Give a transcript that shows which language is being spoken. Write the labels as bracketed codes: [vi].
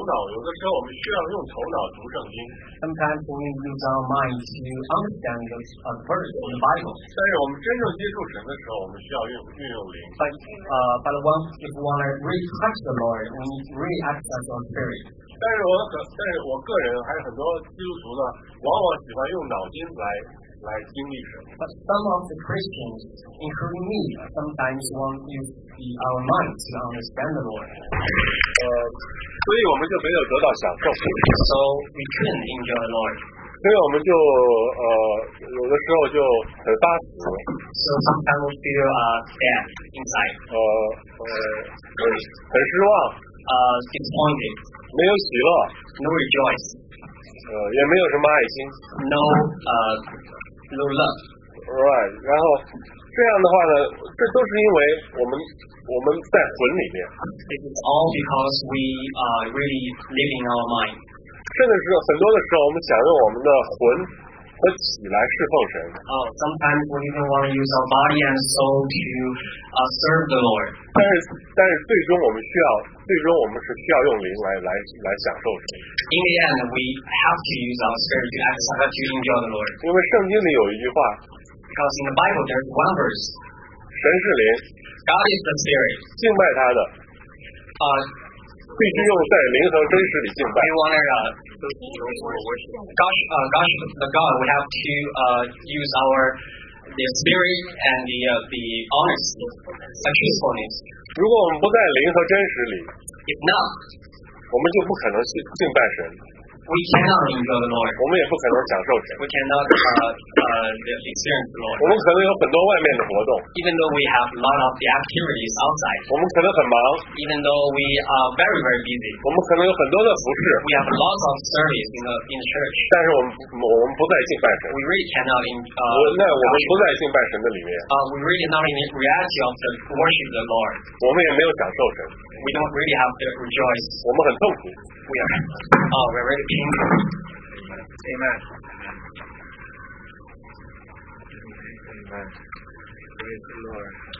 [zh] 因为我们需要用头脑读圣经。 [en] Sometimes we use our minds to understand those verses in the Bible. [zh] 但是我们真正接触神的时候，我们需要运用灵。 [en] But once if we want to really touch the Lord, we need to really access our spirit. [zh] 但是我个人还有很多基督徒呢，往往喜欢用脑筋来经历神。 [en] But some of the Christians, including me, sometimes want to use our minds to understand the Lord. [zh] 所以我们就没有得到享受。 [en] So we couldn't enjoy the Lord. [zh] 所以我们就有的时候就很发死。 [en] So sometimes we feel sad inside. [zh] 很失望。 [en] Disappointed. [zh] 没有喜乐。 [en] No rejoice. [zh] 也没有什么爱心。 [en] No love. Right. [zh] 然后这样的话呢，这都是因为我们在魂里面。 [en] It is all because we are really living our mind. [zh] 甚至是很多的时候，我们想用我们的魂和体来侍奉神。 [en] Sometimes we even want to use our body and soul to serve the Lord. [zh] 但是最终我们是需要用灵来享受神。 [en] In the end, we have to use our spirit to enjoy the Lord. [zh] 因为圣经里有一句话。 [en] Because in the Bible, there's one verse. [zh] 神是灵。 [en] God is the Spirit. [zh] 敬拜他的。必须用在灵和真实里敬拜。 [en] We want God, we have to use the Spirit and the honest, the truthfulness. [zh] 如果我们不在灵和真实里， [en] If not, [zh] 我们就不可能敬拜神。 [en] We cannot enjoy the Lord. [zh] 我们也不可能享受神。 [en] We cannot experience the Lord. [zh] 我们可能有很多外面的活动。 [en] Even though we have a lot of the activities outside. [zh] 我们可能很忙。 [en] Even though we are very very busy. [zh] 我们可能有很多的服事。 [en] We have lots of service in the church. [zh] 但是我们不在敬拜神。 [en] We really cannot in. [zh] 那我们不在敬拜神的里面。 [en] We really not in the reality of the worship of the Lord. [zh] 我们也没有享受神。 [en] We don't really have to rejoice. [zh] 我们很痛苦。 [en] We're very painful. Amen. Amen. Praise the Lord.